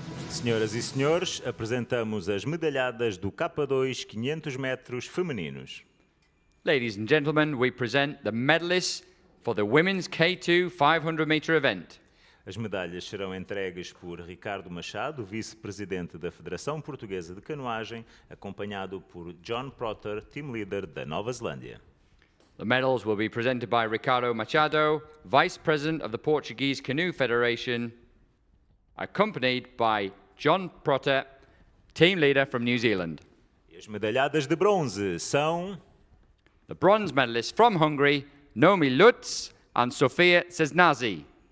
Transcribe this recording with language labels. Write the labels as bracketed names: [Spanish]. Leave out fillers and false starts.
[Portuguese] Senhoras e senhores, apresentamos as medalhadas do K2 500 metros femininos. [English] Ladies and gentlemen, we present the medalists for the women's K2 500 meter event. [Portuguese] As medalhas serão entregues por Ricardo Machado, vice-presidente da Federação Portuguesa de Canoagem, acompanhado por John Prother, team leader da Nova Zelândia. [English] The medals will be presented by Ricardo Machado, vice-president of the Portuguese Canoe Federation, accompanied by John Prother, team leader from New Zealand. [Portuguese] E as medalhadas de bronze são... [English] The bronze medalists from Hungary, Naomi Lutz and Sofia Cesnazi.